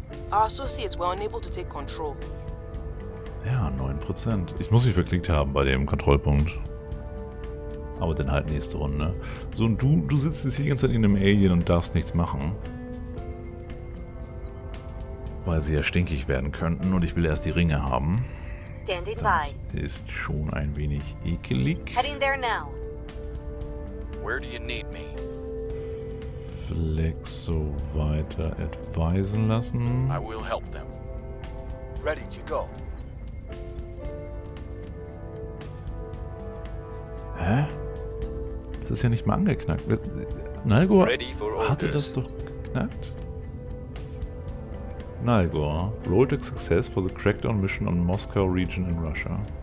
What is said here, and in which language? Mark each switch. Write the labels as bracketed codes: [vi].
[en] Our associates were unable to take control. [de] Ja, 9%. Ich muss mich verklickt haben bei dem Kontrollpunkt. Aber dann halt nächste Runde. So, und du sitzt jetzt hier die ganze Zeit in einem Alien und darfst nichts machen. Weil sie ja stinkig werden könnten und ich will erst die Ringe haben. [en] Standing by. [de] Das ist schon ein wenig ekelig. [en] Heading there now. Where do you need me? [de] Flex so weiter advisen lassen. [en] I will help them. Ready to go. Hä? [de] Das ist ja nicht mal angeknackt. Nalgor hatte das doch geknackt? [en] Nalgor, rolled a success for the crackdown mission on Moscow region in Russia.